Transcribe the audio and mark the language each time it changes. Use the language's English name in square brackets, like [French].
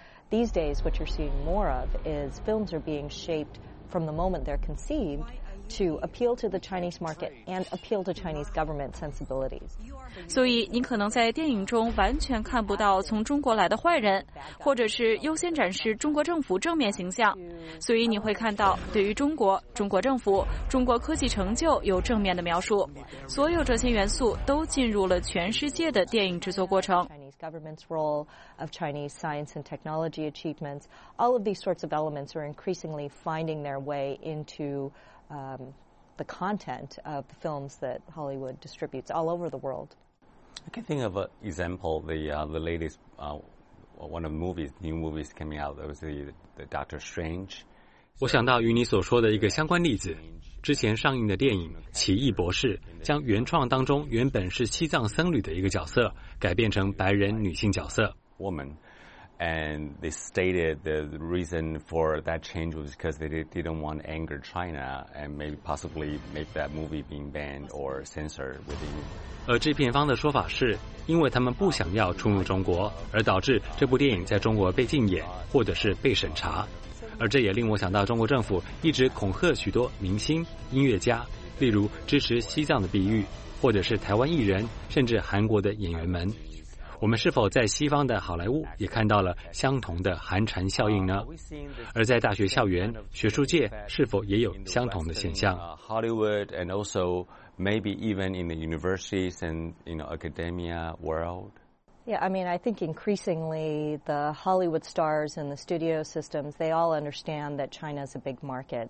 [English] These days what you're seeing more of is films are being shapedfrom the moment they're conceived to appeal to the Chinese market and appeal to Chinese government sensibilities. [Chinese] 所以你可能在电影中完全看不到从中国来的坏人，或者是优先展示中国政府正面形象，所以你会看到对于中国、中国政府、中国科技成就有正面的描述，所有这些元素都进入了全世界的电影制作过程。 [English] Government's role of Chinese science and technology achievements, all of these sorts of elements are increasingly finding their way into the content of the films that Hollywood distributes all over the world. I can think of an example, the latest, one of the movies, new movies coming out, that was the Doctor Strange. [Chinese] 我想到与你所说的一个相关例子。之前上映的电影《奇异博士》将原创当中原本是西藏僧侣的一个角色改变成白人女性角色。 [English] Woman, and they stated the reason for that change was because they didn't want to anger China and maybe possibly make that movie being banned or censored within. [Chinese] 而制片方的说法是，因为他们不想要触怒中国，而导致这部电影在中国被禁演或者是被审查。而这也令我想到中国政府一直恐吓许多明星音乐家，例如支持西藏的碧玉，或者是台湾艺人，甚至韩国的演员们。我们是否在西方的好莱坞也看到了相同的寒蝉效应呢？而在大学校园学术界是否也有相同的现象？ [English] Hollywood and also maybe even in the universities and academia world. Yeah, I mean, I think increasingly the Hollywood stars and the studio systems, they all understand that China is a big market.